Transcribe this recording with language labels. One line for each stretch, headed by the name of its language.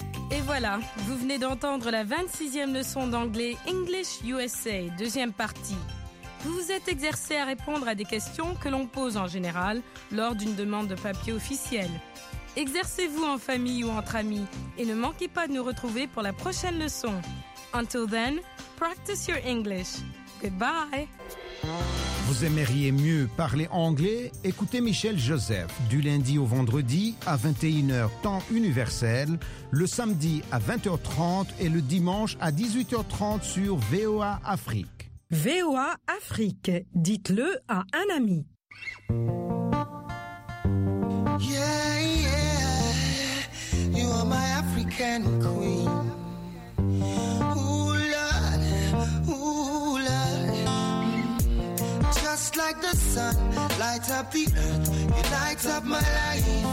French: Et voilà, vous venez d'entendre la 26e leçon d'anglais English USA, deuxième partie. Vous vous êtes exercé à répondre à des questions que l'on pose en général lors d'une demande de papier officiel. Exercez-vous en famille ou entre amis et ne manquez pas de nous retrouver pour la prochaine leçon.
English: Until then, practice your English. Goodbye!
French: Vous aimeriez mieux parler anglais? Écoutez Michel Joseph du lundi au vendredi à 21h temps universel, le samedi à 20h30 et le dimanche à 18h30 sur VOA Afrique. VOA Afrique, dites-le à un ami.
English: Yeah, yeah, you are my African queen. Ooh, Lord, ooh, Lord. Just like the sun lights up the earth, you light up my life.